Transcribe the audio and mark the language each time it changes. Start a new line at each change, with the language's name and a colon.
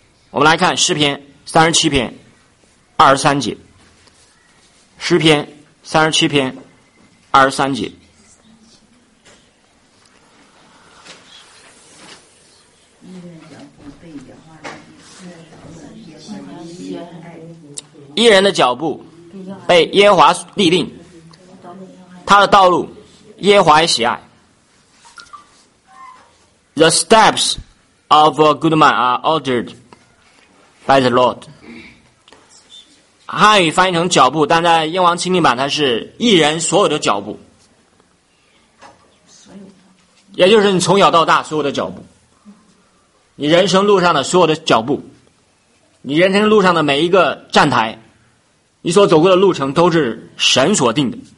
Chinese: 我们来看诗篇三十七篇二十三节，诗篇三十七篇二十三节，一人的脚步被耶和华立定，他的道路耶和华也喜爱。
English: The steps of a good man are ordered by the Lord。
Chinese: 汉语翻译成脚步，但在英王钦定版它是一人所有的脚步，也就是你从小到大所有的脚步，你人生路上的所有的脚步，你人生路上的每一个站台，你所走过的路程都是神所定的。